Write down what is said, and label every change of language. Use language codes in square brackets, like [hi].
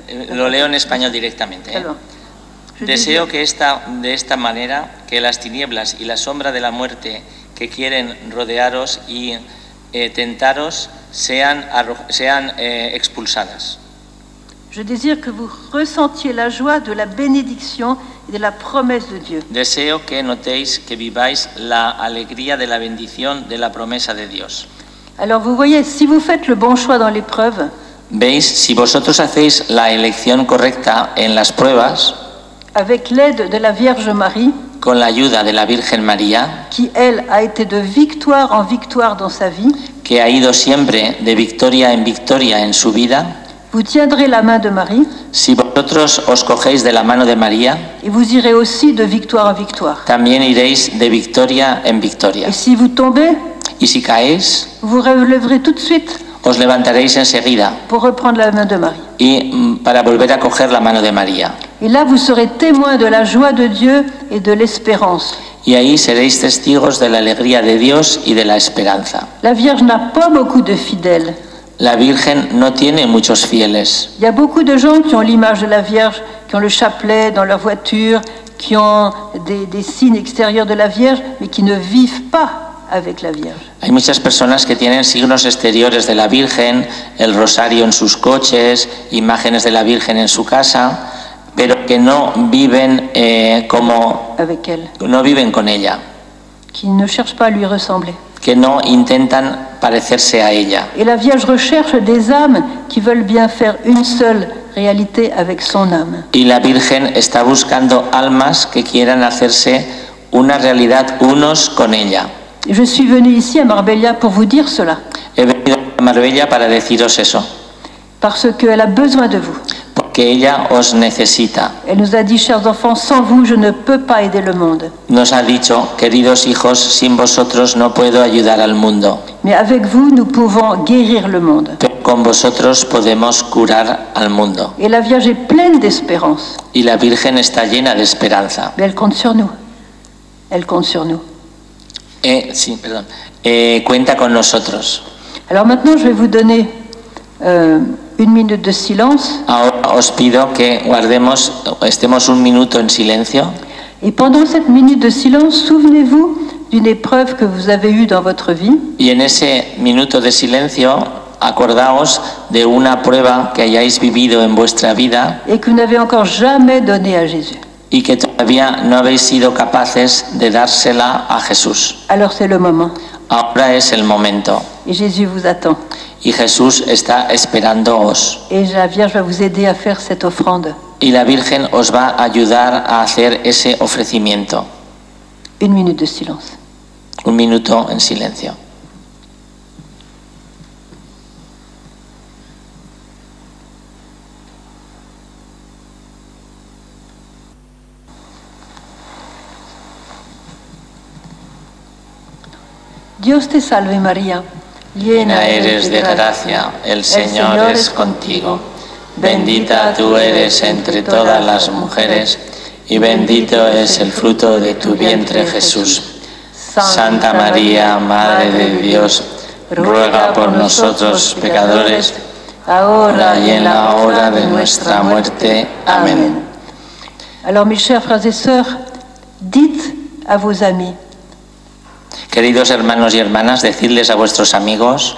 [es] Lo leo en español directamente. Deseo que esta, de esta manera, que las tinieblas y la sombra de la muerte que quieren rodearos y tentaros sean, sean expulsadas. [fr] Je désire que vous ressentiez la joie de la bénédiction et de la promesse de Dieu. [es] Deseo que notéis que viváis la alegría de la bendición de la promesa de Dios. [fr] Alors vous voyez, si vous faites le bon choix dans l'épreuve, [es] veis, si vosotros hacéis la elección correcta en las pruebas, [fr] avec l'aide de la Vierge Marie, [es] con la ayuda de la Virgen María, [fr] qui elle a été de victoire en victoire dans sa vie, [es] que ha ido siempre de victoria en su vida, [fr] vous tiendrez la main de Marie, [es] si vosotros os cogéis de la mano de María, [fr] et vous irez aussi de victoire en victoire, [es] también iréis de victoria en victoria. [fr] Et si vous tombez, [es] y si caéis, [fr] vous relèverez tout de suite, [es] os levantaréis enseguida, [fr] pour reprendre la main de Marie, [es] y para volver a coger la mano de María. [fr] Et là vous serez témoin de la joie de Dieu et de l'espérance. [es] Y ahí seréis testigos de la alegría de Dios y de la esperanza. [fr] La Vierge n'a pas beaucoup de fidèles. [es] La Virgen no tiene muchos fieles. [fr] Il y a beaucoup de gens qui ont l'image de la Vierge, qui ont le chapelet dans leur voiture, qui ont des signes extérieurs de la Vierge, mais qui ne vivent pas avec la Vierge. [es] Hay muchas personas que tienen signos exteriores de la Virgen, el rosario en sus coches, imágenes de la Virgen en su casa, pero que no viven como [fr] avec elle. [es] No viven con ella. [fr] Qui ne cherchent pas à lui ressembler. [es] Que no intentan parecerse a ella. [fr] Et la Vierge recherche des âmes qui veulent bien faire une seule réalité avec son âme. [es] Y la Virgen está buscando almas que quieran hacerse una realidad unos con ella. [fr] Je suis venu ici à Marbella pour vous dire cela. [es] He venido a Marbella para deciros eso. [fr] Parce qu'elle a besoin de vous. [es] Porque ella os necesita. [fr] Elle nous a dit, chers enfants, sans vous, je ne peux pas aider le monde. [es] Nos ha dicho, queridos hijos, sin vosotros no puedo ayudar al mundo. [fr] Mais avec vous, nous pouvons guérir le monde. [es] Pero con vosotros podemos curar al mundo. [fr] Et la Vierge est pleine d'espérance. [es] Y la Virgen está llena de esperanza. [fr] Mais elle compte sur nous. Elle compte sur nous. [es] Sí, perdón. Cuenta con nosotros. [fr] Alors maintenant, je vais vous donner une minute de silence. [es] Ahora os pido que guardemos, estemos un minuto en silencio. [fr] Et pendant cette minute de silence, souvenez-vous d'une épreuve que vous avez eue dans votre vie. [es] Y en ese minuto de silencio, acordaos de una prueba que hayáis vivido en vuestra vida. [fr] Et que vous n'avez encore jamais donné à Jésus. [es] Y que todavía no habéis sido capaces de dársela a Jesús. [fr] Alors c'est le moment. [es] Ahora es el momento. [fr] Et Jésus vous attend. [es] Y Jesús está esperándoos. [fr] Et la Vierge va vous aider à faire cette offrande. [es] Y la Virgen os va a ayudar a hacer ese ofrecimiento. [fr] Une minute de silence. [es] Un minuto en silencio. Dios te salve María, llena eres de gracia, el Señor es contigo. Bendita tú eres entre todas las mujeres y bendito es el fruto de tu vientre Jesús. Santa María, Madre de Dios, ruega por nosotros pecadores, ahora y en la hora de nuestra muerte. Amén. [fr] Alors mis chers frères et sœurs, dites à vos amis. [es] Queridos hermanos y hermanas, decidles a vuestros amigos